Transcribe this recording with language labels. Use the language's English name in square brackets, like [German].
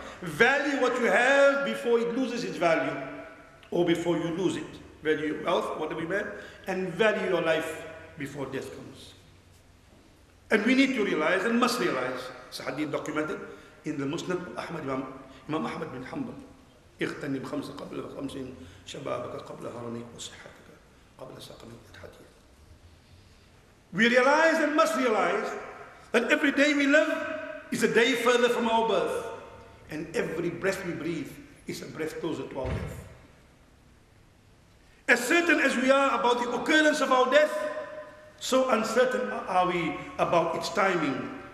[English] Value what you have before it loses its value, or before you lose it. Value your wealth, whatever you have, and value your life before death comes. And we need to realize and must realize, it's a hadith documented in the Musnad of Ahmad, Imam Ahmad bin Hanbal. [Arabic] اغتنم خمسة قبل خمس شبابك قبل هرمك وصحتك قبل سقمك. [English] We realize and must realize that every day we live is a day further from our birth. And every breath we breathe is a breath closer to our death. As certain as we are about the occurrence of our death, so uncertain are we about its timing.